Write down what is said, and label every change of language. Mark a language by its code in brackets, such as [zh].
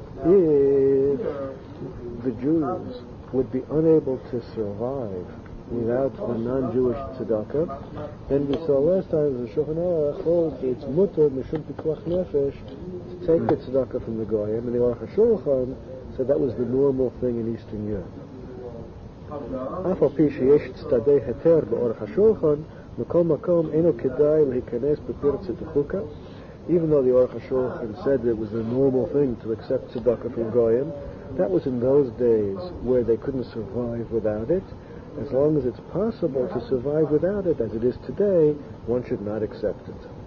[en] If the Jews would be unable to survive without the non-Jewish tzedakah, then we saw last time the Shulchan Aruch holds it's mutar mishum pikuach nefesh to take the tzedakah from the goyim, and the Aruch HaShulchan said that was the normal thing in Eastern Europe. [he] אף על פי שיש צדדי היתר באורך השולחן, מכל מקום אינו כדאי להיכנס בפרצת החוקה. [en] Even though the Aruch HaShulchan said it was a normal thing to accept tzedakah from goyim, that was in those days where they couldn't survive without it. As long as it's possible to survive without it, as it is today, one should not accept it.